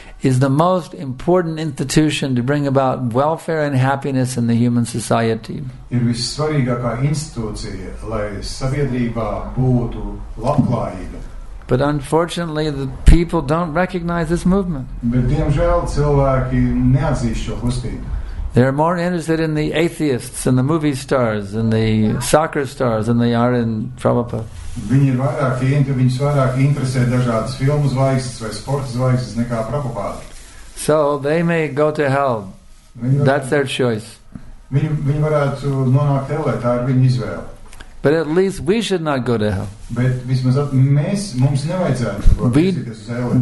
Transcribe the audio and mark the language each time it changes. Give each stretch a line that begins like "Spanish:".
English: is the most important institution to bring about welfare and happiness in the human society.
Latvian: Ir vissvarīgākā institūcija, lai sabiedrībā būtu labklājība.
English: But unfortunately, the people don't recognize this movement.
Latvian: Bet, diemžēl, cilvēki neatzīst šo kustību.
English: They're more interested in the atheists and the movie stars and the soccer stars than they are in Prabhupada.
Latvian: Viņi ir vairāk interesē dažādas filmu zvaigznes vai sporta zvaigznes nekā Prabhupada.
English: So they may go to hell. That's their choice.
Latvian: Viņi varētu nonākt hellē, tā ir viņa izvēle.
English: But at least we should not go to hell.
Latvian: Bet vismaz mums nevajadzētu būt uz hellē.